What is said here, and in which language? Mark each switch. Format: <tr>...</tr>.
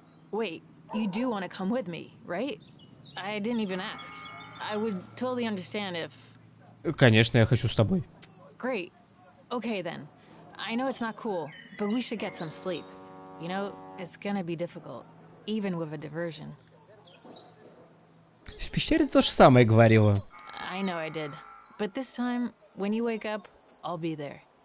<en>Wait, you do want to come with me, right? I didn't even ask. I would totally understand if...</en> <ru>Конечно, я хочу с тобой.</ru> <en>Great. Okay, then. I know it's not cool, but we should get some sleep. You know, it's gonna be difficult, even with a diversion.</en> <ru>В пещере то же самое говорила.</ru> <en>I know I did. But this time, when you wake up, I'll be there.</en>